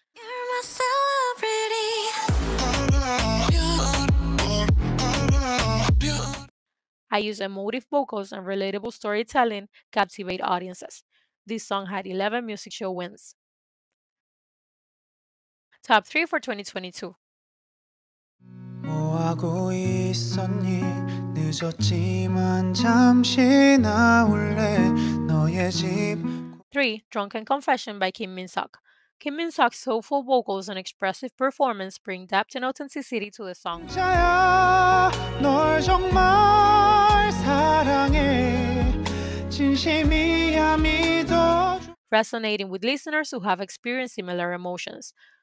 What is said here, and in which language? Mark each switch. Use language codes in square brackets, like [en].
[en] You're my celebrity. IU's emotive vocals and relatable storytelling captivate audiences. This song had 11 music show wins. Top 3 for 2022. [ko] 뭐하고 있었니 늦었지만 잠시 나올래 너의 집 3. [en] Drunken Confession by Kim Min-seok. Kim Min-seok's soulful vocals and expressive performance bring depth and authenticity to the song. [ko] 자야 널 정말 사랑해 진심이야 믿어 [en] resonating with listeners who have experienced similar emotions.